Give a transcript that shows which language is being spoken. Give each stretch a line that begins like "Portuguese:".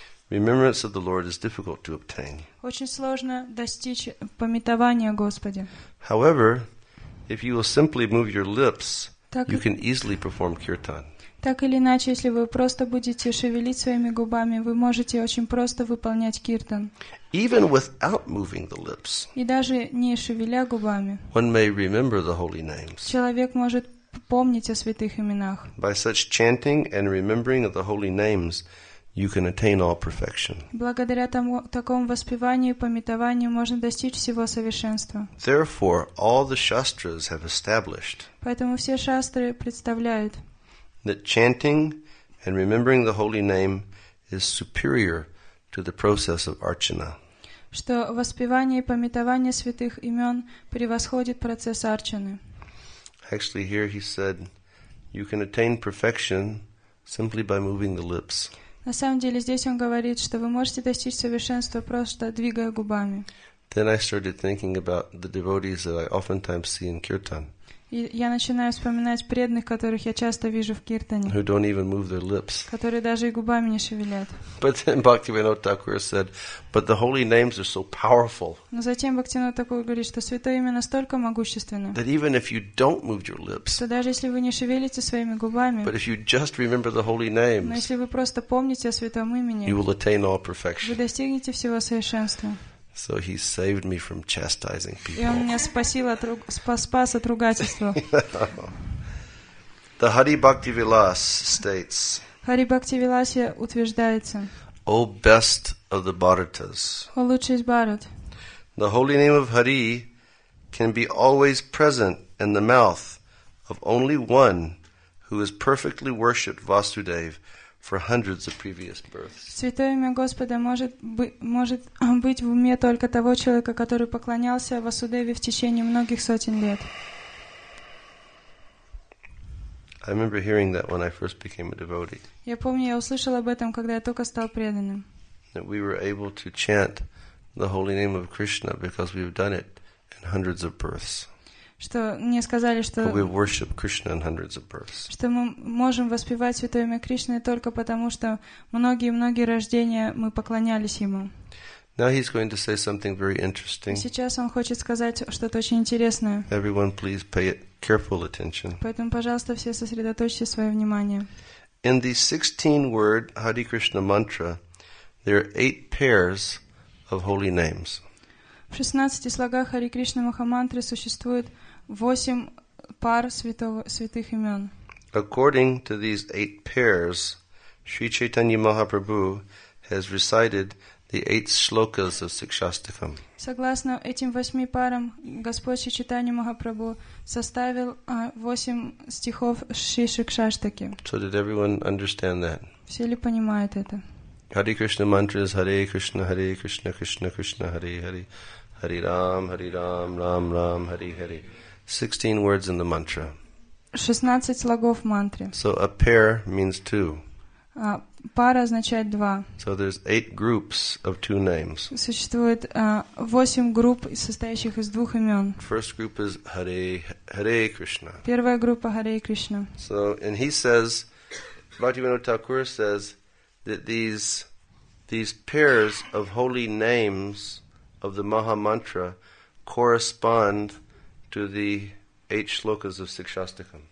English: Remembrance of the Lord is difficult to obtain.
Russian: Очень сложно достичь памятования Господа.
English: However, if you will simply move your lips, you can easily perform kirtan.
Russian: Так или иначе, если вы просто будете шевелить своими губами, вы можете очень просто выполнять киртан.
English: Even without moving the lips,
Russian: и даже не шевеля губами,
English: one may remember the holy names.
Russian: Человек может помнить о святых именах.
English: By such chanting and remembering of the holy names, you can attain all perfection.
Russian: Благодаря такому воспеванию и памятованию можно достичь всего совершенства.
English: Therefore, all the shastras have established.
Russian: Поэтому все шастры представляют.
English: That chanting and remembering the holy name is superior to the process of archana.
Russian: Что воспевание и памятование святых имен превосходит процесс арчаны.
English: Actually, here he said, you can attain perfection simply by moving the lips.
Russian: На самом деле здесь он говорит, что вы можете достичь совершенства просто двигая губами.
English: Then I started thinking about the devotees that I oftentimes see in kirtan.
Russian: И я начинаю вспоминать преданных, которых я часто вижу в киртане.
English: Who don't even move their lips.
Russian: Которые даже и губами не шевелят.
English: But then Bhaktivinoda Thakur said, but the holy names are so powerful.
Russian: Но затем Бхактивинода Такур говорит, что святое имя настолько могущественно.
English: That even if you don't move your lips.
Russian: Что даже если вы не шевелите своими губами.
English: But if you just remember the holy names.
Russian: Но если вы просто помните о святом имени.
English: You will attain all perfection.
Russian: Вы достигнете всего совершенства.
English: So he saved me from chastising people.
Russian: И он меня спас от ругательства.
English: The Hari Bhakti Vilas states.
Russian: Hari Bhakti Vilasе утверждается.
English: O best of the Bharatas.
Russian: О лучший из Бхарат.
English: The holy name of Hari can be always present in the mouth of only one who has perfectly worshipped Vasudev. For hundreds of previous births.
Russian: Святое имя Господа может быть в уме только того человека, который поклонялся Васудеве в течение многих сотен лет.
English: I remember hearing that when I first became a devotee.
Russian: Я помню, я услышал об этом, когда я только стал преданным.
English: That we were able to chant the holy name of Krishna because we've done it in hundreds of births.
Russian: Что мне сказали, что
English: we worship Krishna in hundreds of births.
Russian: Что мы можем воспевать святое имя Кришны только потому, что многие-многие рождения мы поклонялись ему.
English: Now he's going to say something very interesting.
Russian: Сейчас он хочет сказать что-то очень интересное.
English: Everyone please pay careful attention.
Russian: Поэтому, пожалуйста, все сосредоточьте свое внимание.
English: In the 16-word Hare Krishna mantra, there are 8 pairs of holy names.
Russian: В 16 слогах Hare Krishna Махамантры существует 8 пар святых имен.
English: According to these 8 pairs, Sri Chaitanya Mahaprabhu has recited the 8 shlokas of Sikshastakam.
Russian: Согласно этим 8 парам, Господь Шри Чайтанья Махапрабху составил 8 стихов Шри Шикшаштаки.
English: So did everyone understand that?
Russian: Все ли понимают это?
English: Hare Krishna mantra is Hare Krishna, Hare Krishna, Krishna Krishna, Hare Hare, Hare Ram, Hare Ram, Ram Ram, Hare Hare. 16 words in the mantra.
Russian: 16 слогов мантры.
English: So a pair means 2.
Russian: Пара означает два.
English: So there's 8 groups of 2 names.
Russian: Существует 8 групп, состоящих из двух имен.
English: First group is Hare, Hare Krishna.
Russian: Первая группа Hare Krishna.
English: So, and he says, Bhaktivinoda Thakur says, that these pairs of holy names of the Maha Mantra correspond to the 8 shlokas of Sikshastakam.